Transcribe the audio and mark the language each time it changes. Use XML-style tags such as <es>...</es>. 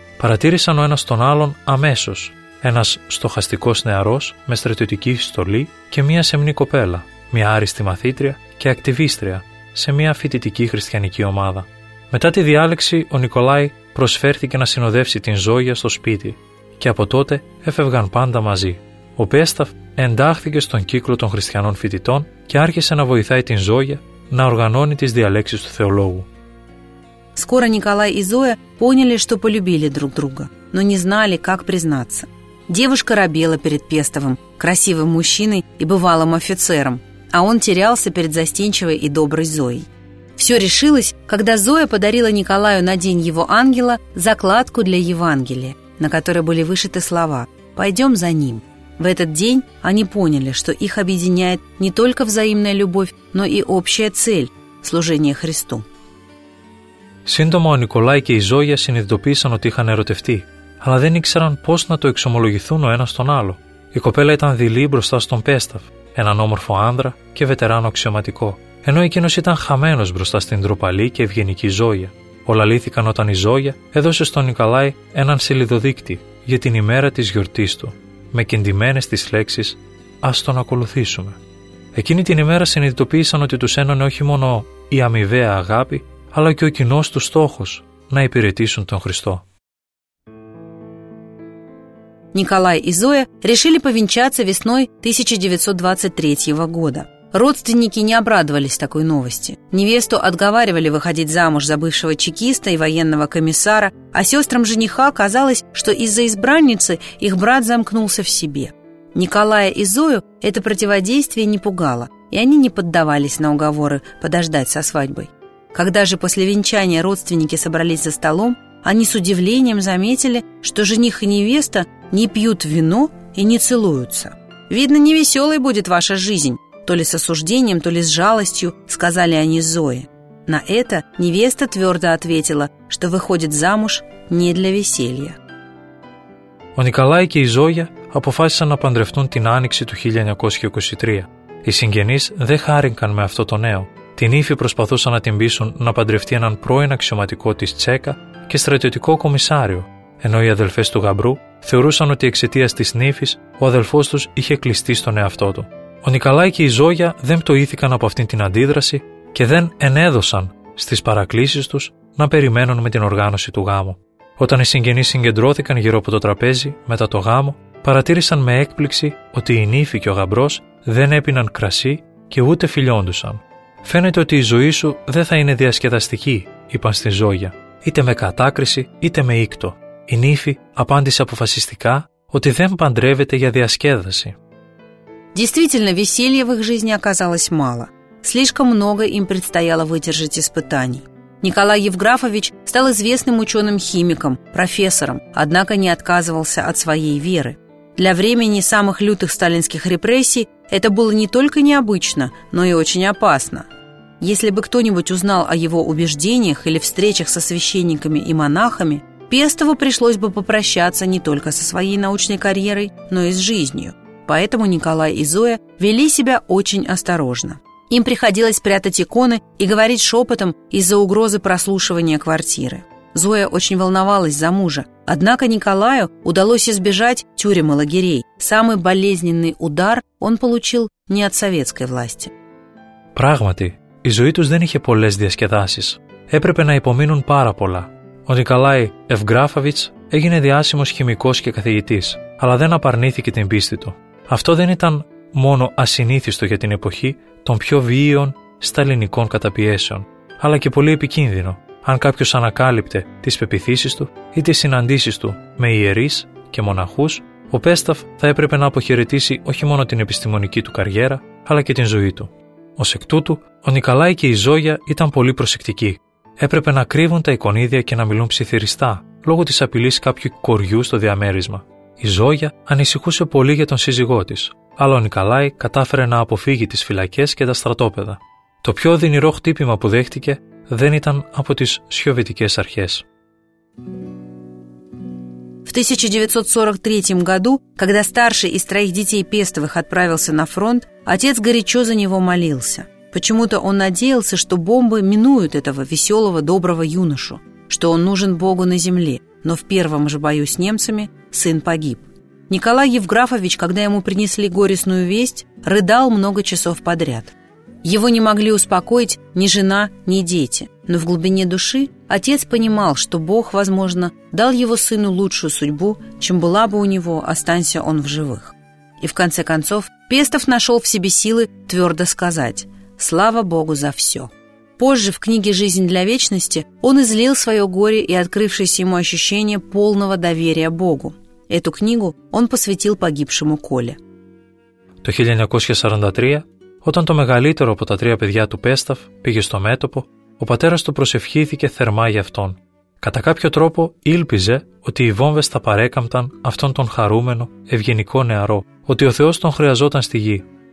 <el>Παρατήρησαν ο ένας τον άλλον αμέσως, ένας στοχαστικός νεαρός με στρατιωτική στολή και μία σεμνή κοπέλα, μία άριστη μαθήτρια και ακτιβίστρια σε μία φοιτητική χριστιανική ομάδα. Μετά τη διάλεξη, ο Νικολάι προσφέρθηκε να συνοδεύσει την Ζόγια στο σπίτι και από τότε έφευγαν πάντα μαζί. Ο Πέσταφ εντάχθηκε στον κύκλο των χριστιανών φοιτητών και άρχισε να βοηθάει την Ζόγια να οργανώνει τις διαλέξεις του θεολόγου.</el> <ru>Скоро Николай и Зоя поняли, что полюбили друг друга, но не знали, как признаться. Девушка робела перед Пестовым, красивым мужчиной и бывалым офицером, а он терялся перед застенчивой и доброй Зоей. Все решилось, когда Зоя подарила Николаю на день его ангела закладку для Евангелия, на которой были вышиты слова «Пойдем за ним». В этот день они поняли, что их объединяет не только взаимная любовь, но и общая цель – служение Христу.</ru> <el>Σύντομα ο Νικολάι και η Ζόγια συνειδητοποίησαν ότι είχαν ερωτευτεί, αλλά δεν ήξεραν πώς να το εξομολογηθούν ο ένας τον άλλο. Η κοπέλα ήταν δειλή μπροστά στον Πέσταφ, έναν όμορφο άνδρα και βετεράνο αξιωματικό, ενώ εκείνος ήταν χαμένος μπροστά στην ντροπαλή και ευγενική Ζόγια. Όλα λύθηκαν όταν η Ζόγια έδωσε στον Νικολάι έναν σελιδοδείκτη για την ημέρα της γιορτής του, με κεντυμένες τις λέξεις «Ας τον ακολουθήσουμε». Εκείνη την ημέρα συνειδητοποίησαν ότι τους ένωνε όχι μόνο η αμοιβαία αγάπη, αλλά και ο κοινός του στόχος να υπηρετήσουν τον Χριστό.</el> <ru>Николай и Зоя решили повенчаться весной 1923 года. Родственники не обрадовались такой новости. Невесту отговаривали выходить замуж за бывшего чекиста и военного комиссара, а сестрам жениха казалось, что из-за избранницы их брат замкнулся в себе. Николая и Зою это противодействие не пугало, и они не поддавались на уговоры подождать со свадьбой. Когда же после венчания родственники собрались за столом, они с удивлением заметили, что жених и невеста не пьют вино и не целуются. «Видно, невеселой будет ваша жизнь, то ли с осуждением, то ли с жалостью», — сказали они Зое. На это невеста твердо ответила, что выходит замуж не для веселья.</ru> <el>Ο Νικολάι και η Ζόγια αποφάσισαν να παντρευτούν την άνοιξη του 1923. Οι συγγενείς δεν χάρηκαν με αυτό το νέο. Την ύφη προσπαθούσαν να την πείσουν να παντρευτεί έναν πρώην αξιωματικό της Τσέκα και στρατιωτικό κομισάριο, ενώ οι αδελφές του γαμπρού θεωρούσαν ότι εξαιτίας της νύφης ο αδελφός τους είχε κλειστεί στον εαυτό του. Ο Νικολάι και η Ζόγια δεν πτωήθηκαν από αυτήν την αντίδραση και δεν ενέδωσαν στις παρακλήσεις τους να περιμένουν με την οργάνωση του γάμου. Όταν οι συγγενείς συγκεντρώθηκαν γύρω από το τραπέζι μετά το γάμο, παρατήρησαν με έκπληξη ότι η νύφη και ο γαμπρός δεν έπιναν κρασί και ούτε φιλιόντουσαν. «Φαίνεται ότι η ζωή σου δεν θα είναι διασκεδαστική», είπαν στη Ζόγια. «Είτε με κατάκριση, είτε με ίκτο». Η νύφη απάντησε αποφασιστικά ότι δεν παντρεύεται για διασκέδαση.</el> <ru>Действительно, веселья в их жизни оказалось мало. Слишком много им предстояло выдержать испытаний. Николай Евграфович стал известным ученым-химиком, профессором, однако не отказывался от своей веры. Для времени самых лютых сталинских репрессий это было не только необычно, но и очень опасно. Если бы кто-нибудь узнал о его убеждениях или встречах со священниками и монахами, Пестову пришлось бы попрощаться не только со своей научной карьерой, но и с жизнью. Поэтому Николай и Зоя вели себя очень осторожно. Им приходилось прятать иконы и говорить шепотом из-за угрозы прослушивания квартиры. Зоя очень волновалась за мужа. Однако Николаю удалось избежать тюрем и лагерей. Самый болезненный удар он получил не от советской власти.</ru> <el>Πράγματι, η ζωή τους δεν είχε πολλές διασκεδάσεις. Έπρεπε να υπομείνουν πάρα πολλά. Ο Νικολάι Ευγράφοβιτς έγινε διάσημος χημικός και καθηγητής, αλλά δεν απαρνήθηκε την πίστη του. Αυτό δεν ήταν μόνο ασυνήθιστο για την εποχή των πιο βίαιων σταλινικών καταπιέσεων, αλλά και πολύ επικίνδυνο, αν κάποιος ανακάλυπτε τις πεπιθήσεις του ή τις συναντήσεις του με ιερείς και μοναχούς, ο Πέσταφ θα έπρεπε να αποχαιρετήσει όχι μόνο την επιστημονική του καριέρα, αλλά και την ζωή του. Ως εκ τούτου, ο Νικολάι και η Ζόγια ήταν πολύ προσεκτικοί. Έπρεπε να κρύβουν τα εικονίδια και να μιλούν ψιθυριστά, λόγω της απειλής κάποιου κοριού στο διαμέρισμα. Η Ζόγια ανησυχούσε πολύ για τον σύζυγό της, αλλά ο Νικολάι κατάφερε να αποφύγει τις φυλακές και τα στρατόπεδα. Το πιο δυνηρό χτύπημα που δέχτηκε δεν ήταν από τις σοβιετικές αρχές.</el> <ru>В 1943 году, когда старший из троих детей Пестовых отправился на фронт, отец горячо за него молился. Почему-то он надеялся, что бомбы минуют этого веселого, доброго юношу, что он нужен Богу на земле, но в первом же бою с немцами сын погиб. Николай Евграфович, когда ему принесли горестную весть, рыдал много часов подряд. Его не могли успокоить ни жена, ни дети, но в глубине души отец понимал, что Бог, возможно, дал его сыну лучшую судьбу, чем была бы у него, останься он в живых. И в конце концов Пестов нашел в себе силы твердо сказать «Слава Богу за все». Позже в книге «Жизнь для вечности» он излил свое горе и открывшееся ему ощущение полного доверия Богу. Эту книгу он посвятил погибшему Коле.</ru> <el>То 1943, όταν το μεγαλύτερο από τα τρία παιδιά του Πέσταφ πήγε στο μέτωπο, ο πατέρας του προσευχήθηκε θερμά για αυτόν. Κατά κάποιο τρόπο ήλπιζε ότι οι βόμβες θα παρέκαμπταν αυτόν τον χαρούμενο, ευγενικό νεαρό, ότι ο Θεός τον χρειαζόταν στη γη.</el>